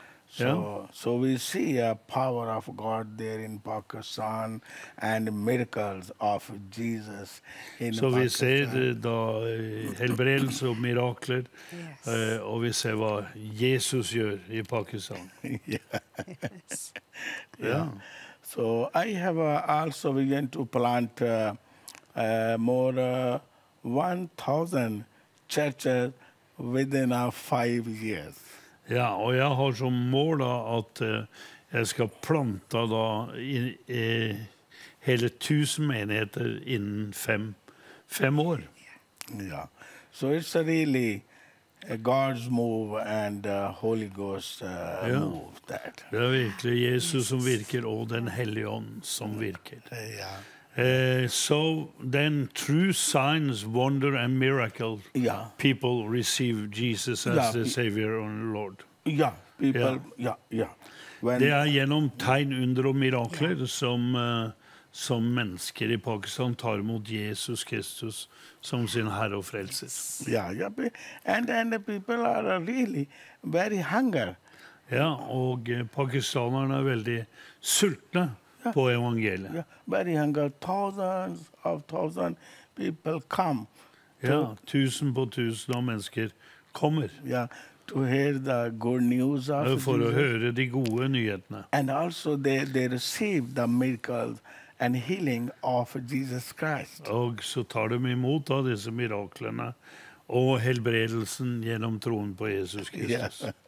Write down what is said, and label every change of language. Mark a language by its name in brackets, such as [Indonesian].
[English] So we see a power of God there in Pakistan and miracles of Jesus in [Norwegian] Pakistan. Så vi ser det da helbredelse og mirakler, og vi ser hva Jesus gjør i Pakistan. [English] So I have also begun to plant more 1,000 churches within 5 years. [Norwegian] Ja, og jeg har som mål da at jeg skal plante da hele 1,000 menigheter innen fem år. [English] Ja, so it's really God's move and Holy Ghost move that. [Norwegian] Det er virkelig Jesus som virker og den Hellige Ånd som virker. Ja. [English] So then through signs, wonder and miracle, people receive Jesus as the Savior and Lord. [Norwegian] Det er gjennom tegn, under og mirakler som mennesker i Pakistan tar imot Jesus Kristus som sin Herre og Frelser. [English] And people are really very hungry. [Norwegian] Ja, og pakistanerne er veldig sultne på evangeliet. [English] Very hungry. Thousands of thousands people come. [Norwegian] Tusen på tusen av mennesker kommer. [English] To hear the good news of Jesus. [Norwegian] For å høre de gode nyhetene. [English] And also they receive the miracles and healing of Jesus Christ. [Norwegian] Og så tar de imot av disse miraklene og helbredelsen gjennom troen på Jesus Kristus.